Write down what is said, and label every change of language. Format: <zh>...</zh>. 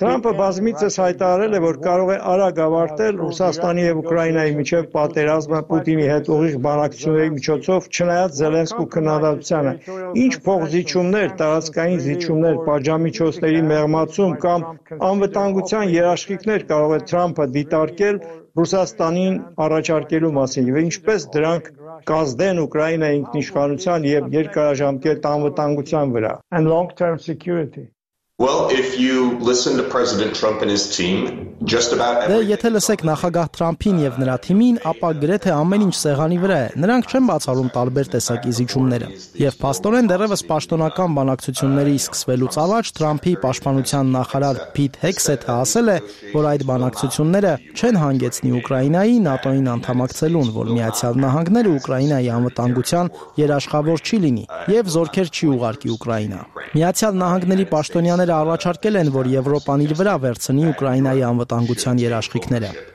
<hy>Trump-ը բազմիցս հայտարել է, որ կարող է արագ ավարտել Ռուսաստանի եւ Ուկրաինայի միջև պատերազմը Պուտինի հետ ուղիղ բանակցությունների միջոցով, չնայած Զելենսկու քննադատությանը։ Ինչ փողզիչումներ, տարածքային զիջումներ, պատժամիջոցների մեղմացում կամ անվտանգության երաշխիքներ կարող է Trump-ը դիտարկել Ռուսաստանին առաջարկելու մասին, եւ ինչպես դրանք կազդեն Ուկրաինայի ինքնիշխանության եւ երկարաժամկետ անվտանգության վրա</hy> <en>and long term security. Well, if you listen to President Trump and his team, just about everything.</en> <hy>Եթե լսեք նախագահ Թրամփին եւ նրա թիմին, ապա գրեթե ամեն ինչ սեղանի վրա է։ Նրանք չեն բացառում տարբեր տեսակի զիջումները։ Եվ փաստորեն դեռևս պաշտոնական բանակցությունների սկսվելուց առաջ Թրամփի պաշտպանության նախարար Փիթ Հեքսեթը ասել է, որ այդ բանակցությունները չեն հանգեցնի Ուկրաինայի ՆԱՏՕ-ին անդամակցելուն, որ Միացյալ Նահանգները Ուկրաինայի անվտանգության երաշխավոր չի լինի եւ զորքեր չի ուղարկի Ուկրաինա։ Միացյալ Նահանգների պաշտոնյա ները առաջարկել են, որ Եվրոպան իր վրա վերցնի Ուկրաինայի անվտանգության երաշխիքները։</hy>